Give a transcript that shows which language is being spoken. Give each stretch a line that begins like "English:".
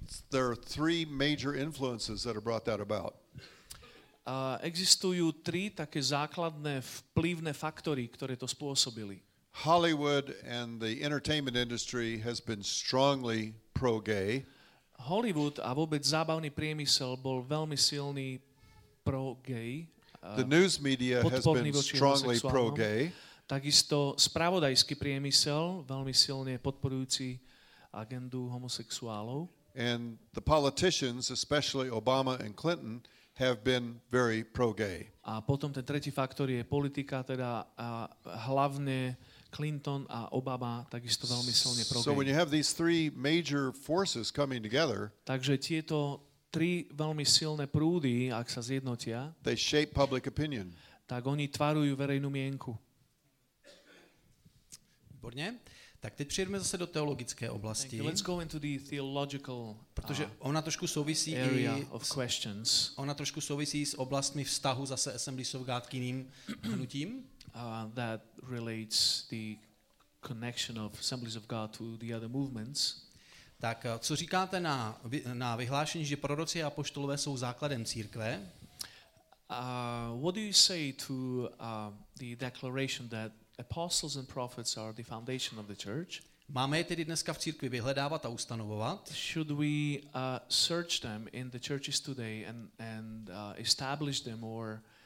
English: There are three major influences that have brought that about.
Slovak: Existujú tri také základné vplyvné faktory, ktoré to spôsobili.
English: Hollywood and the entertainment industry has been strongly pro-gay.
Slovak: Hollywood a vôbec zábavný priemysel bol veľmi silný pro-gay.
English: The news media has been strongly pro-gay.
Slovak: Takisto spravodajský priemysel veľmi silne podporujúci agendu homosexuálov.
English: And the politicians, especially Obama and Clinton, have been very pro-gay.
Slovak: A potom ten tretí faktor je politika, teda hlavne Clinton a Obama takisto veľmi silne pro-gay.
English: So when you have these three major forces coming together,
Slovak: takže tieto tri veľmi silné prúdy, ak sa zjednotia,
English: they shape public opinion.
Slovak: Tak oni tvarujú verejnú mienku. Výborne.
Czech: Tak teď přijedeme zase do teologické oblasti.
English: Let's go into the theological,
Czech: protože ona trošku souvisí
English: area of questions.
Czech: Ona trošku souvisí s oblastmi vztahu zase Assemblies of God k jiným hnutím.
English: That relates the connection of Assemblies of God to the other movements.
Czech: Tak co říkáte na vyhlášení, že proroci a apoštolové jsou základem církve?
English: What do you say to the declaration that apostles and prophets are the foundation of the church?
Czech: Máme je tedy dneska v církvi vyhledávat a ustanovovat?
English: Should we search them in the churches today and establish them or